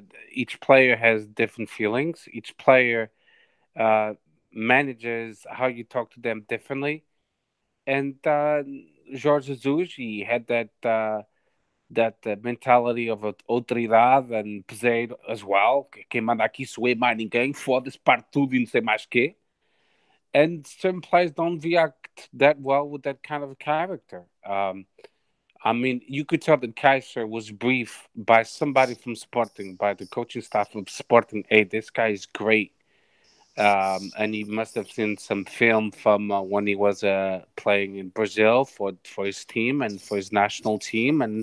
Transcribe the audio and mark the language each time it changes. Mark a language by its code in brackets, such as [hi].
[en] Each player has different feelings. Each player manages how you talk to them differently. And Jorge Jesus, he had that mentality of autoridade, and Pizarro as well. [pt] Quem manda aqui sou eu, mais ninguém. Foda-se, parte tudo e não sei mais quê. [en] And some players don't react that well with that kind of character. I mean, you could tell that Kaiser was briefed by somebody from Sporting, by the coaching staff of Sporting. Hey, this guy is great. And he must have seen some film from when he was playing in Brazil for his team and for his national team.